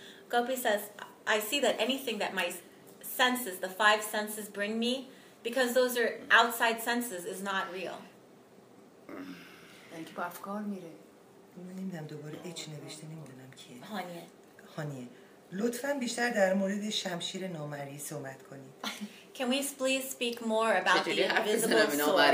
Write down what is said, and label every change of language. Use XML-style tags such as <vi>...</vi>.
<en>Gopi says I see that anything that my senses the five senses bring me because those are outside senses is not real.</en> <fa>یعنی که با افکار میره. من نمیدونم دوباره ایچ نوشته نمیدونم کیه. هانیه لطفاً بیشتر در مورد شمشیر نامرئی صحبت کنید.</fa> <en>Can we please speak more about the invisible sword?</en>